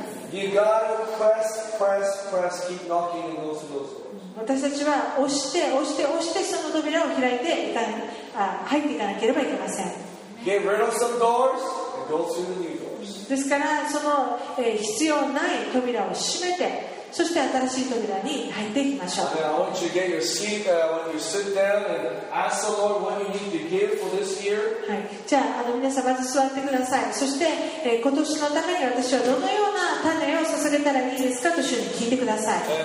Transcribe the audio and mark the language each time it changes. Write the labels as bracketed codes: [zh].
[en] You gotta press, keep knocking and close the door. [ja] 私たちは押してその扉を開いて入っていかなければいけません。 [en] Get rid of some doors and go through the new doors. [ja] ですからその、必要ない扉を閉めて、そして新しい扉に入っていきましょう。 [en] I want you to get your seat when you sit down and ask the Lord what you need to give for this year. [ja] はい。じゃあ、皆さんまず座ってください。そして、今年のために私はどのような種を捧げたらいいですかと主に聞いてください。